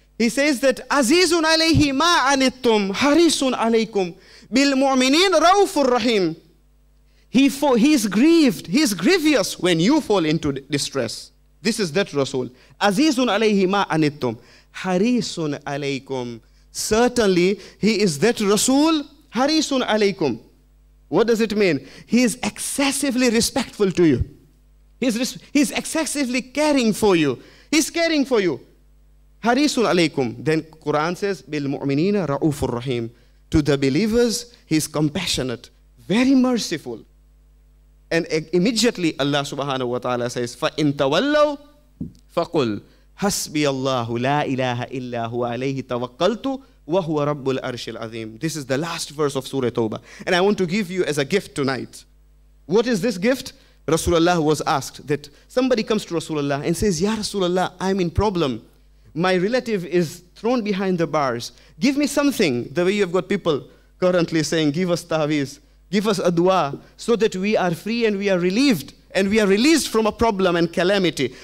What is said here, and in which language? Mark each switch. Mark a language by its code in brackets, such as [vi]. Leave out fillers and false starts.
[en] He says that, [ar] عَزِيزٌ عَلَيْهِ مَا عَنِتُّمْ حَرِيصٌ عَلَيْكُمْ بِالْمُؤْمِنِينَ رَوْفٌ رَحِيمٌ. [en] He's grievous when you fall into distress. This is that Rasul. [ar] Azizun alayhi ma anittum. Harisun alaykum. [en] Certainly, he is that Rasul. [ar] Harisun alaykum. [en] What does it mean? He is excessively respectful to you. He's excessively caring for you. He's caring for you. [ar] Harisun alaykum. [en] Then Quran says, [ar] bil mu'minina ra'ufur rahim. [en] To the believers, he's compassionate, very merciful. And immediately Allah subhanahu wa ta'ala says, [ar] فَإِن تَوَلَّوْا فَقُلْ حَسْبِيَ اللَّهُ لَا إِلَٰهَ إِلَّا هُوَ عَلَيْهِ تَوَكَّلْتُ وَهُوَ رَبُّ الْأَرْشِ الْعَظِيمِ. [en] This is the last verse of Surah Tawbah. And I want to give you as a gift tonight. What is this gift? Rasulullah was asked that somebody comes to Rasulullah and says, Ya Rasulullah, I'm in problem. My relative is thrown behind the bars. Give me something, the way you have got people currently saying, give us ta'weez, give us a dua, so that we are free and we are relieved, and we are released from a problem and calamity.